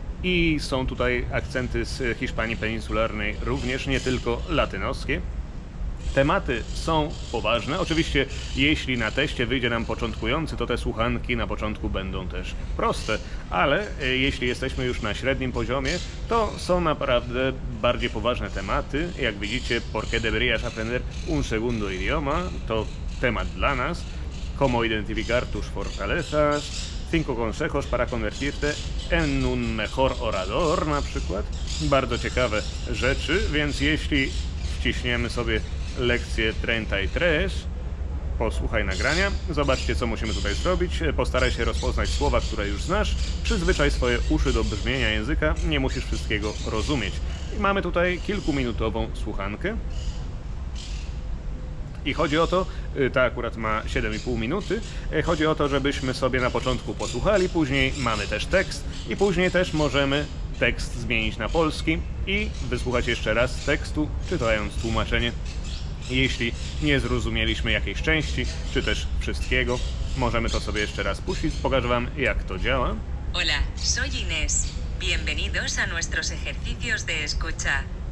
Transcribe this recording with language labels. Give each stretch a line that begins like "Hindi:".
Polish: I są tutaj akcenty z Hiszpanii peninsularnej również, nie tylko latynoskie. Tematy są poważne. Oczywiście, jeśli na teście wyjdzie nam początkujący, to te słuchanki na początku będą też proste. Ale jeśli jesteśmy już na średnim poziomie, to są naprawdę bardziej poważne tematy. Jak widzicie,
Spanish: ¿por qué deberías aprender un segundo idioma?
Polish: To temat dla nas.
Spanish: ¿Cómo identificar tus fortalezas? 5 consejos para convertirte en un mejor orador,
Polish: na przykład. Bardzo ciekawe rzeczy, więc jeśli wciśniemy sobie lekcję 33, posłuchaj nagrania, zobaczcie, co musimy tutaj zrobić. Postaraj się rozpoznać słowa, które już znasz. Przyzwyczaj swoje uszy do brzmienia języka, nie musisz wszystkiego rozumieć. I mamy tutaj kilkuminutową słuchankę. I chodzi o to, ta akurat ma 7,5 minuty, chodzi o to, żebyśmy sobie na początku posłuchali, później mamy też tekst i później też możemy tekst zmienić na polski i wysłuchać jeszcze raz tekstu, czytając tłumaczenie. Jeśli nie zrozumieliśmy jakiejś części, czy też wszystkiego, możemy to sobie jeszcze raz puścić. Pokażę wam, jak to działa.
Spanish: Hola, soy Inés. Bienvenidos a nuestros ejercicios de escucha.